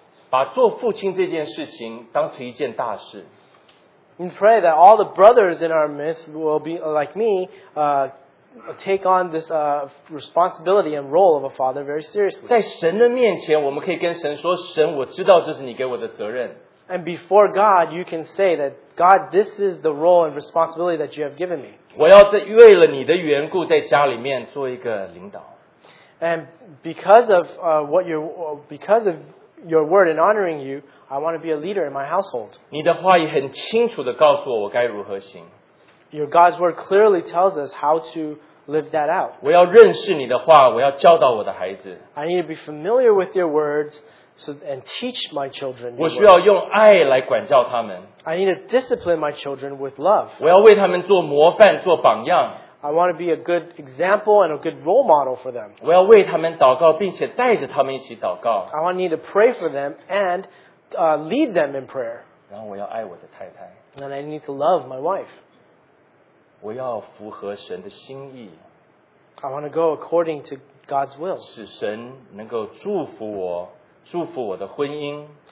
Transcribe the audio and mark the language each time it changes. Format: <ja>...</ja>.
<zh>我也愿意我们在座所有做父亲的弟兄们，能够跟我一样，把做父亲这件事情当成一件大事。</zh> <en>We pray that all the brothers in our midst will be like me, take on this responsibility and role of a father very seriously.</en> <zh>在神的面前，我们可以跟神说：“神，我知道这是你给我的责任。”</zh> <en>And before God, you can say that, God, this is the role and responsibility that you have given me.</en> <zh>我要为了你的缘故在家里面做一个领导。</zh> <en>And because of because of your word in honoring you, I want to be a leader in my household.</en> <zh>你的话也很清楚地告诉我我该如何行。</zh> <en>Your God's word clearly tells us how to live that out.</en> <zh>我要认识你的话, 我要教导我的孩子。</zh> <en>I need to be familiar with your words. So, and teach my children.</en> <zh>我需要用爱来管教他们。</zh> <en>I need to discipline my children with love.</en> <zh>我要为他们做模范，做榜样。</zh> <en>I want to be a good example and a good role model for them.</en> <zh>我要为他们祷告，并且带着他们一起祷告。</zh> <en>I want to pray for them and lead them in prayer.</en> <zh>然后我要爱我的太太。</zh> <en>And I need to love my wife.</en> <zh>我要符合神的心意。</zh> <en>I want to go according to God's will.</en> <zh>使神能够祝福我。祝福我的婚姻,</zh>